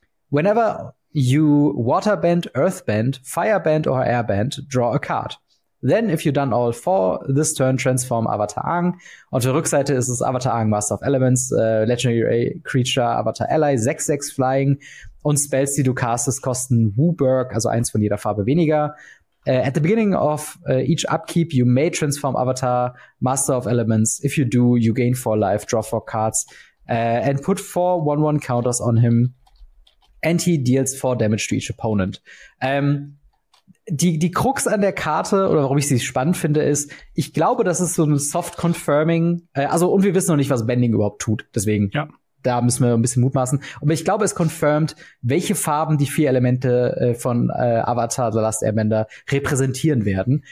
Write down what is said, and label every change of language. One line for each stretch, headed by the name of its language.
English: Whenever you waterbend, earthbend, firebend or airbend, draw a card. Then if you've done all 4, this turn transform Avatar Aang.
German: Auf der Rückseite ist es Avatar Aang, Master of Elements, Legendary Creature, Avatar Ally, 6/6 Flying. Und Spells, die du castest, kosten Wooburg, also eins von jeder Farbe weniger.
English: At the beginning of each upkeep, you may transform Avatar, Master of Elements. If you do, you gain 4 life, draw 4 cards, and put 4 1/1 counters on him. And he deals 4 damage to each opponent.
German: Die Krux an der Karte, oder warum ich sie spannend finde, ist, ich glaube, das ist so ein Soft-Confirming. Und wir wissen noch nicht, was Bending überhaupt tut. Deswegen, ja. Da müssen wir ein bisschen mutmaßen. Aber ich glaube, es confirmed, welche Farben die 4 Elemente von Avatar The Last Airbender repräsentieren werden.